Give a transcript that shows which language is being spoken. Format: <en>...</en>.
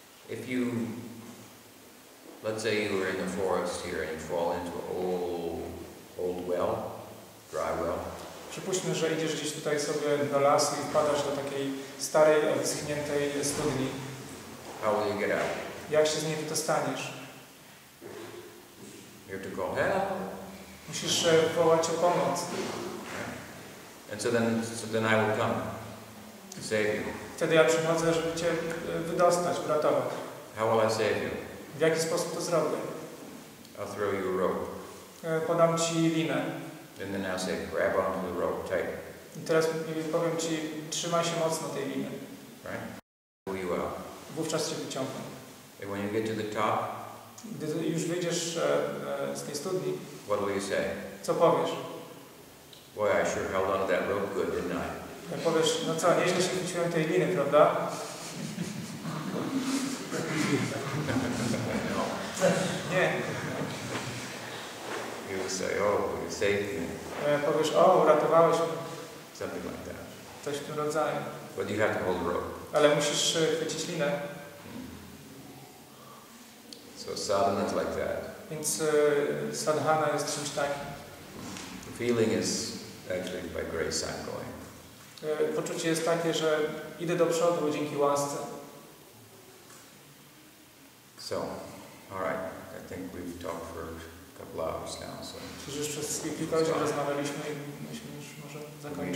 <en>If you, let's say you were in the forest here and you fall into an old well, dry well.</en> <pl>Przypuśćmy, że idziesz gdzieś tutaj sobie do lasu i wpadasz do takiej starej, odschniętej studni.</pl> <en>How will you get out?</en> <pl>Jak się z niej wydostaniesz?</pl> <en>You have to call help.</en> <pl>Musisz wołać o pomoc.</pl> <en>And so then I will come to save you.</en> <pl>Wtedy ja przychodzę, żeby cię wydostać, uratować.</pl> <en>How will I save you?</en> <pl>W jaki sposób to zrobię?</pl> <en>I'll throw you a rope.</en> <pl>Podam ci linę.</pl> <en>And then I'll say, grab onto the rope tight.</en> <pl>I teraz powiem ci, trzymaj się mocno tej liny.</pl> <en>Right? Pull you out.</en> <pl>Wówczas cię wyciągnę.</pl> <en>And when you get to the top,</en> <pl>gdy już wyjdziesz z tej studni,</pl> <en>what will you say?</en> <pl>Co powiesz?</pl> <en>Boy, I sure held onto that rope good, didn't I?</en> <pl>Ja powiesz, no co, nieźle się chwyciłem tej liny, prawda?</pl> <en>No.</en> <pl>Nie.</pl> <en>You will say, oh, you saved me.</en> <pl>Powiesz, o, uratowałeś mnie.</pl> <en>Something like that.</en> <pl>Coś w tym rodzaju.</pl> <en>But you have to hold the rope.</en> <pl>Ale musisz chwycić linę.</pl> <en>So sadhana is like that.</en> <pl>Więc sadhana jest czymś takim.</pl> <en>The feeling is actually by grace I'm going.</en> <pl>Poczucie jest takie, że idę do przodu dzięki łasce.</pl> <en>So, all right. I think we've talked for a couple hours now. So.</en> <pl>Czy już przez kilka godzin rozmawialiśmy i myślimy, że może zakończyć?</pl>